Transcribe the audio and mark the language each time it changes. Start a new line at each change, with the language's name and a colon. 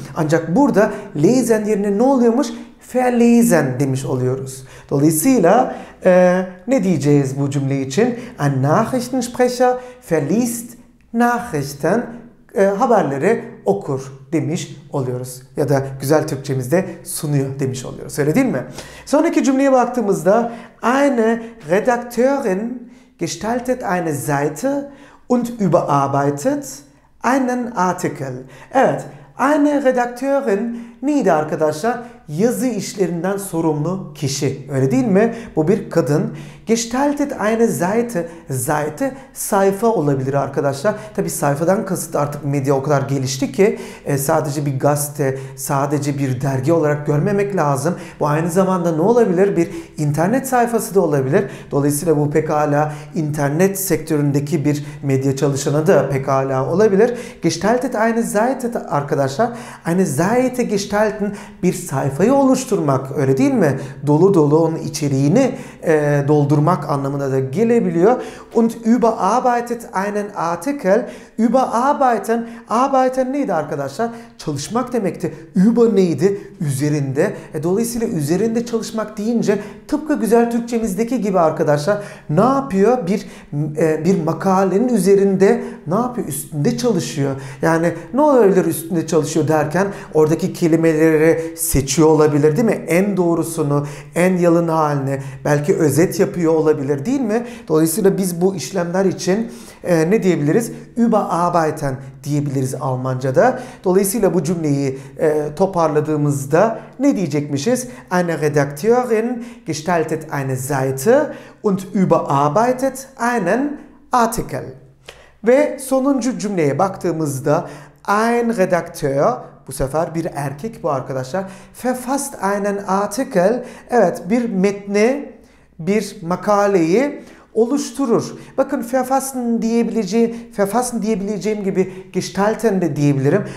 Turkish: Ancak burada lesen yerine ne oluyormuş? Verlesen demiş oluyoruz. Dolayısıyla ne diyeceğiz bu cümle için?
German: Ein Nachrichtensprecher verliest Nachrichten,
Turkish: haberleri okur demiş oluyoruz. Ya da güzel Türkçemizde sunuyor demiş oluyoruz. Öyle değil mi? Sonraki cümleye baktığımızda
German: eine Redakteurin gestaltet eine Seite und überarbeitet einen Artikel.
Turkish: Evet.
German: Eine Redakteurin
Turkish: neydi arkadaşlar? Yazı işlerinden sorumlu kişi. Öyle değil mi? Bu bir kadın.
German: Gestaltet eine Seite. Seite
Turkish: sayfa olabilir arkadaşlar. Tabi sayfadan kasıt artık medya o kadar gelişti ki sadece bir gazete, sadece bir dergi olarak görmemek lazım. Bu aynı zamanda ne olabilir? Bir internet sayfası da olabilir. Dolayısıyla bu pekala internet sektöründeki bir medya çalışanı da pekala olabilir.
German: Gestaltet eine Seite arkadaşlar. Eine Seite gestalten
Turkish: bir sayfayı oluşturmak, öyle değil mi? Dolu dolu onun içeriğini doldurmak anlamına da gelebiliyor.
German: Und überarbeitet einen Artikel.
Turkish: Überarbeiten, arbeiten neydi arkadaşlar? Çalışmak demekti. Über neydi? Üzerinde. Dolayısıyla üzerinde çalışmak deyince tıpkı güzel Türkçemizdeki gibi arkadaşlar ne yapıyor? Bir makalenin üzerinde ne yapıyor? Üstünde çalışıyor. Yani ne olabilir üstünde çalışıyor derken oradaki kelimeleri seçiyor olabilir değil mi? En doğrusunu, en yalın halini, belki özet yapıyor olabilir değil mi? Dolayısıyla biz bu işlemler için ne diyebiliriz? Überarbeiten diyebiliriz Almanca'da. Dolayısıyla bu cümleyi toparladığımızda ne diyecekmişiz?
German: Eine Redakteurin gestaltet eine Seite und überarbeitet einen Artikel.
Turkish: Ve sonuncu cümleye baktığımızda ein Redakteur, bu sefer bir erkek bu arkadaşlar,
German: verfasst einen Artikel,
Turkish: evet bir metni, bir makaleyi oluşturur. Bakın verfassen diyebileceğim gibi gestalten de diyebilirim.